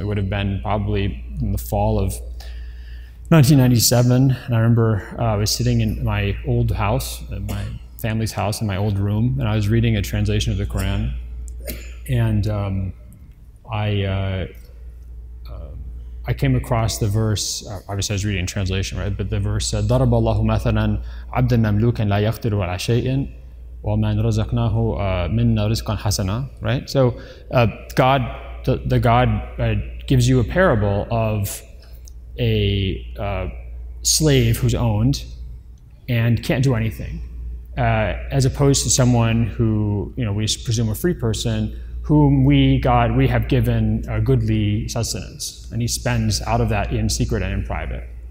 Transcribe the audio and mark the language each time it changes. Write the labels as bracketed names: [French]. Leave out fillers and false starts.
[English] It would have been probably in the fall of 1997, and I remember I was sitting in my old house, in my family's house, in my old room, and I was reading a translation of the Quran, and I came across the verse. Obviously, I was reading a translation, right? But the verse said, [Arabic] "ضَرَبَ اللَّهُ مَثَلًا عَبْدًا مَمْلُوكًا لَا يَقْدِرُ عَلَى شَيْءٍ." وَمَنْ رَزَقْنَاهُ مِنَّا رِزْقًا حَسَنًا, right? [English] So God, the God gives you a parable of a slave who's owned and can't do anything, as opposed to someone who, you know, we presume a free person, whom we have given a goodly sustenance, and he spends out of that in secret and in private.